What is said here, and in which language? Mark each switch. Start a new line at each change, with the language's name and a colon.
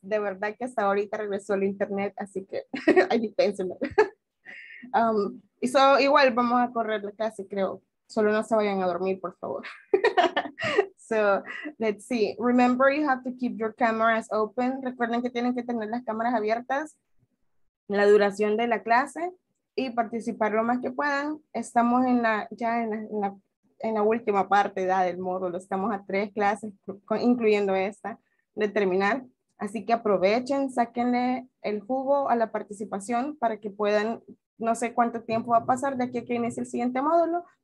Spanish: De verdad que hasta ahorita regresó el internet, así que hay dispensen. So igual vamos a correr la clase, creo. Solo no se vayan a dormir, por favor.
English: So let's see. Remember, you have to keep your cameras open.
Spanish: Recuerden que tienen que tener las cámaras abiertas la duración de la clase y participar lo más que puedan. Estamos en la ya en la última parte del módulo. Estamos a 3 clases, incluyendo esta, de terminar. Así que aprovechen, sáquenle el jugo a la participación para que puedan, no sé cuánto tiempo va a pasar de aquí a que inicie el siguiente módulo.